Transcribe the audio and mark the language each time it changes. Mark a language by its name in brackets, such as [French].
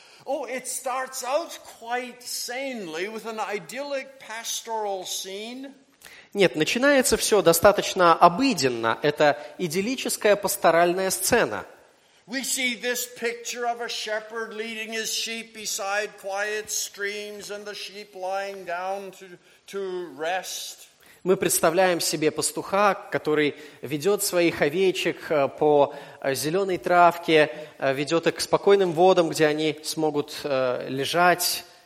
[English] Oh, it starts out quite sanely with an idyllic pastoral scene. [Russian] Нет, начинается все достаточно обыденно. Это идиллическая пасторальная сцена. [English] We see this picture of a shepherd leading his sheep beside quiet streams and the sheep lying down to rest. [Russian] Мы представляем себе пастуха, который ведет своих овечек по зеленой травке, ведет их к спокойным водам, где они смогут лежать.